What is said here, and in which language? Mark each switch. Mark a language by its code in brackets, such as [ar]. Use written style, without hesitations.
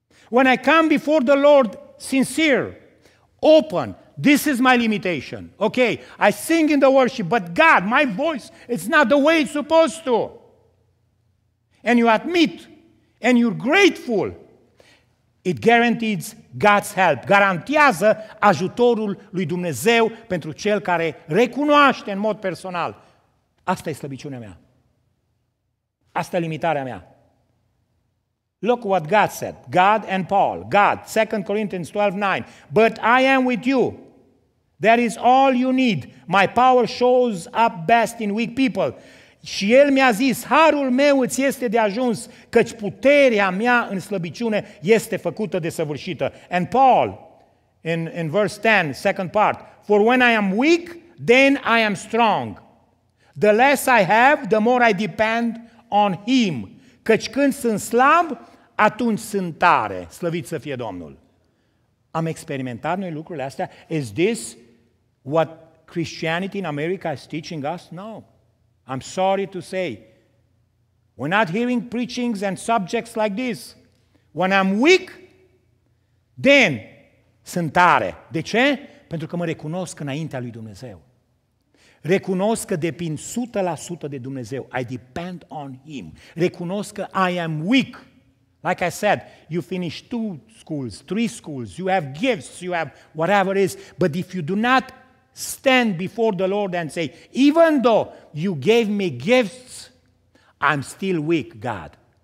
[en] When I come before the Lord sincere, open, this is my limitation. Okay, I sing in the worship, but God, my voice, it's not the way it's supposed to. And you admit, and you're grateful, it guarantees God's help. [ro] Garantează ajutorul lui Dumnezeu pentru cel care recunoaște în mod personal. Asta e slăbiciunea mea. Asta e limitarea mea. [en] Look what God said. God and Paul. God, 2 Corinthians 12:9. But I am with you. That is all you need. My power shows up best in weak people. [ro] Și el mi-a zis, harul meu îți este de ajuns, căci puterea mea în slăbiciune este făcută desăvârșită. [en] And Paul, in verse 10, second part, for when I am weak, then I am strong. The less I have, the more I depend on him. [ro] Căci când sunt slab, atunci sunt tare. Slăvit să fie Domnul. Am experimentat noi lucrurile astea? [en] Is this what Christianity in America is teaching us? No. I'm sorry to say, we're not hearing preachings and subjects like this. When I'm weak, then [ro] sunt tare. De ce? Pentru că mă recunosc înaintea lui Dumnezeu. Recunosc că depind 100% de Dumnezeu. [en] I depend on Him. [ro] Recunosc că [en] I am weak. Like I said, you finish 2 schools, 3 schools, you have gifts, you have whatever it is, but if you do not stand before the Lord and say, even though you gave me gifts, I'm still weak, God.